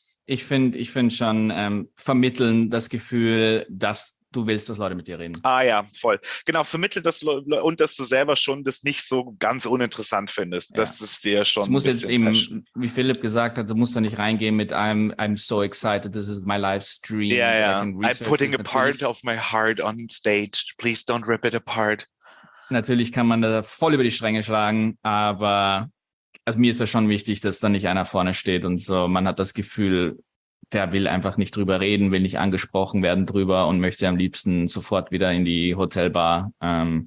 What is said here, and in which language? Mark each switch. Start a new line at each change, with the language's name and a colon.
German: Ich finde schon, vermitteln das Gefühl, dass du willst, dass Leute mit dir reden. Ah ja, voll. Genau, vermittelt das und dass du selber schon das nicht so ganz uninteressant findest. Ja. Das ist dir schon. Es muss jetzt eben, wie Philipp gesagt hat, du musst da nicht reingehen mit einem
English: I'm so excited, this is my live stream.
German: Ja, ja.
English: I'm putting a part of my heart on stage. Please don't rip it apart.
German: Natürlich kann man da voll über die Stränge schlagen, aber also mir ist ja schon wichtig, dass da nicht einer vorne steht und so. Man hat das Gefühl, der will einfach nicht drüber reden, will nicht angesprochen werden drüber und möchte am liebsten sofort wieder in die Hotelbar. Ja.